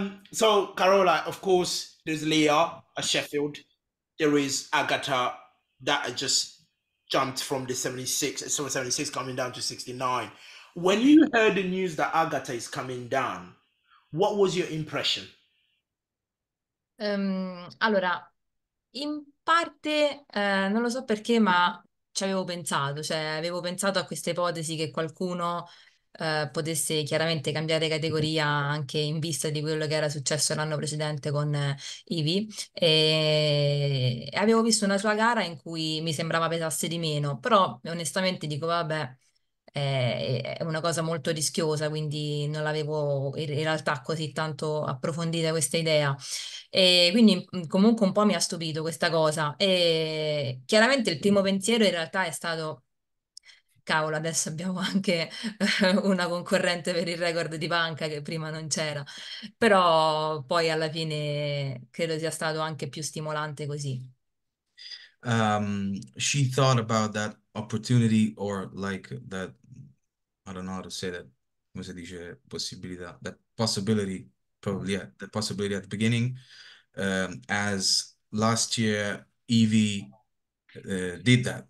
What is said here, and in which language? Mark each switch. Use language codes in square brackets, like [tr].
[en] So, Carola, of course, there's Leah at Sheffield. There is Agatha that just jumped from the 76 coming down to 69. When you heard the news that Agatha is coming down, what was your impression? [it] Allora, in parte, non lo so perché, ma ci avevo pensato. Cioè, avevo pensato a questa ipotesi che qualcuno potesse chiaramente cambiare categoria anche in vista di quello che era successo l'anno precedente con Ivy, e avevo visto una sua gara in cui mi sembrava pesasse di meno, però onestamente dico vabbè, è una cosa molto rischiosa, quindi non l'avevo in realtà così tanto approfondita questa idea, e quindi comunque un po' mi ha stupito questa cosa. E chiaramente il primo pensiero in realtà è stato: cavolo, adesso abbiamo anche una concorrente per il record di panca che prima non c'era. Però poi alla fine credo sia stato anche più stimolante così. [en] She thought about that opportunity, or like that, I don't know how to say that, [it] come si dice, possibilità, [en] that possibility, probably, yeah, the possibility at the beginning, as last year Evie did that.